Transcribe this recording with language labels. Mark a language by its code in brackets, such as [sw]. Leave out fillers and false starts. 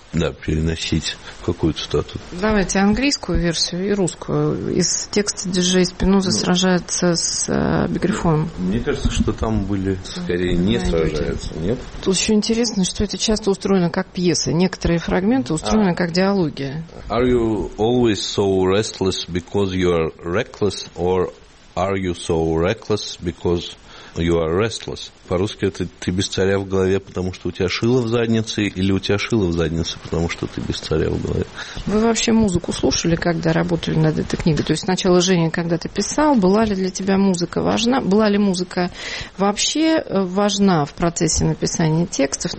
[ru] Да, переносить какую-то цитату. Давайте английскую версию и русскую. Из текста диджей Спиноза сражается с Бигрифоном. Мне кажется, что там были скорее не сражаются, нет? Тут еще интересно, что это часто устроено как пьеса. Некоторые фрагменты устроены как диалоги. [en] Are you always so restless because you are reckless, or are you so reckless because you are restless? [ru] По-русски это «ты без царя в голове, потому что у тебя шило в заднице», или «у тебя шило в заднице, потому что ты без царя в голове». Вы вообще музыку слушали, когда работали над этой книгой? То есть сначала, Женя, когда ты писал, была ли для тебя музыка важна? Была ли музыка вообще важна в процессе написания текстов?